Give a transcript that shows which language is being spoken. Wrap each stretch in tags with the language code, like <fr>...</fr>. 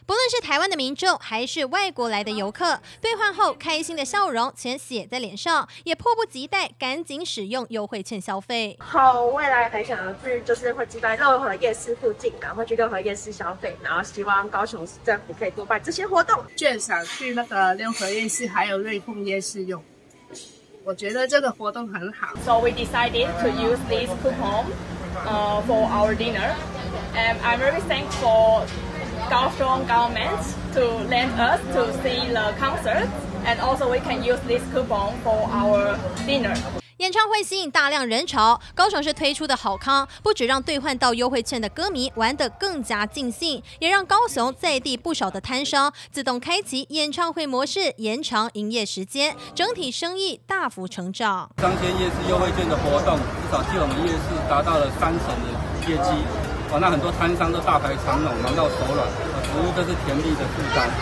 <zh>不论是台湾的民众还是外国来的游客，兑换后开心的笑容全写在脸上，也迫不及待赶紧使用优惠券消费。好，未来很想去，就是会期待任何夜市附近，然后去任何夜市消费，然后希望高雄市政府可以多办这些活动，券赏去那个六合夜市还有瑞凤夜市用。我觉得这个活动很好。</zh> <en>So we decided to use this coupon, for our dinner. And I'm very thankful Kaohsiung government to lend us to see the concert. And also we can use this coupon for our dinner.</en> <zh>演唱会吸引大量人潮，高雄市推出的好康不只让兑换到优惠券的歌迷玩得更加尽兴，也让高雄在地不少的摊商自动开启演唱会模式，延长营业时间，整体生意大幅成长。当天夜市优惠券的活动至少替我们夜市达到了30%的业绩，那很多摊商都大排长龙，忙到手软，服务都是甜蜜的负担。</zh>